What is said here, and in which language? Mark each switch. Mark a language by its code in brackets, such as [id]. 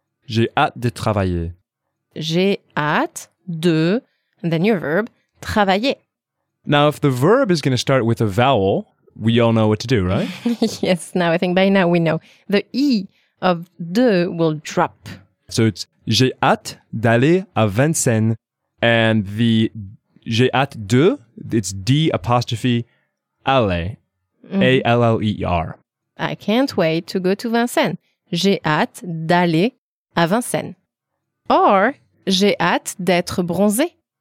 [fr] J'ai hâte de travailler. J'ai hâte de, [en] and then your verb, travailler. Now, if the verb is going to start with a vowel, we all know what to do, right? Yes, now I think by now we know. The E of de will drop. So it's [fr] J'ai hâte d'aller à Vincennes. [en] And the [fr] j'ai hâte de, [en] it's D apostrophe aller, A-L-L-E-R. I can't wait to go to Vincennes. [fr] J'ai hâte d'aller à Vincennes. Or, j'ai hâte d'être bronzé.